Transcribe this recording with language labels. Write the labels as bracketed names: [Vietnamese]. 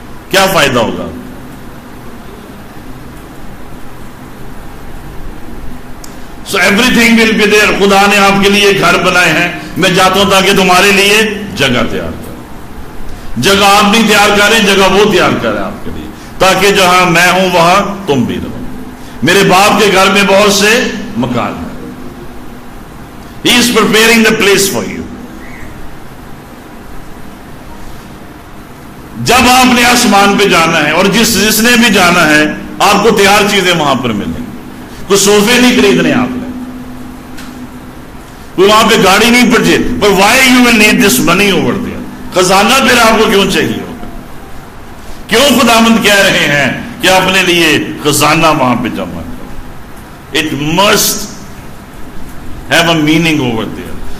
[Urdu] کیا فائدہ ہوگا؟ [English] So everything will be there. [Urdu] خدا نے آپ کے لیے گھر بنائے ہیں, میں جاتا ہوں تاکہ تمہارے لیے جگہ تیار کروں. جگہ آپ نہیں تیار کر رہے, جگہ وہ تیار کر رہے آپ کے لیے, تاکہ جہاں میں ہوں وہاں تم بھی رہو. میرے باپ کے گھر میں بہت سے مکان ہیں. [English] He is preparing the place for you. [Urdu] جب آپ نے آسمان پہ جانا ہے اور جس نے بھی جانا ہے آپ کو تیار چیزیں وہاں پر ملیں. کوئی صوفے نہیں خریدنے آپ نے, کوئی وہاں پہ گاڑی نہیں پڑھے. [English] پر why you will need this money over there? [Urdu] خزانہ پھر آپ کو کیوں چاہیے ہوگا؟ کیوں خداوند کہہ رہے ہیں کہ اپنے لیے خزانہ وہاں پہ جمع کرو؟ [English] It must have a meaning over there.